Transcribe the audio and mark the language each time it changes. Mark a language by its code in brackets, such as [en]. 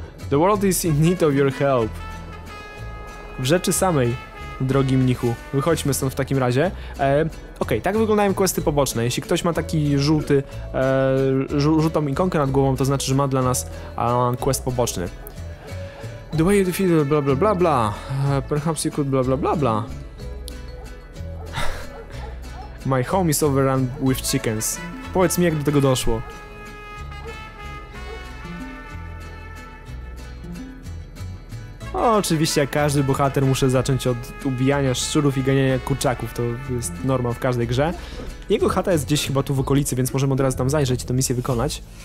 [en] The world is in need of your help. [pl] W rzeczy samej, drogi mnichu. Wychodźmy stąd w takim razie. Okej, tak wyglądają questy poboczne. Jeśli ktoś ma taki żółty... żółtą ikonkę nad głową, to znaczy, że ma dla nas quest poboczny. [en] The way you defeat bla bla bla bla. Perhaps you could bla bla bla bla. My home is overrun with chickens. [pl] Powiedz mi, jak do tego doszło. O, oczywiście, jak każdy bohater, muszę zacząć od ubijania szczurów i ganiania kurczaków. To jest norma w każdej grze. Jego chata jest gdzieś chyba tu w okolicy, więc możemy od razu tam zajrzeć i tę misję wykonać.